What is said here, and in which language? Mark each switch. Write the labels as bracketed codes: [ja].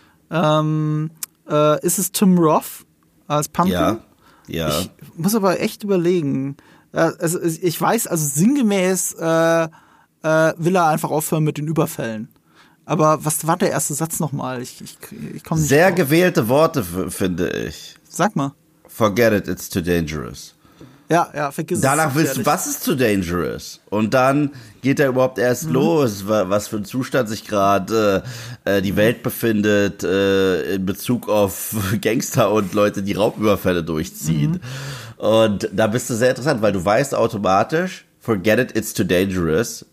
[de] Ist es Tim Roth als Pumpkin? Ja, ja. Ich muss aber echt überlegen. Ich weiß, also sinngemäß will er einfach aufhören mit den Überfällen. Aber was war der erste Satz nochmal? Ich komme nicht sehr drauf. Gewählte Worte, finde ich. Sag mal. [en] Forget it, it's too dangerous. [de] Ja, ja, vergiss es. Danach willst du, was ist [en] too dangerous? [de] Und dann geht er überhaupt erst los, was für ein Zustand sich gerade die Welt befindet in Bezug auf Gangster und Leute, die Raubüberfälle durchziehen. Mhm. Und da bist du sehr interessant, weil du weißt automatisch, [en] forget it, it's too dangerous.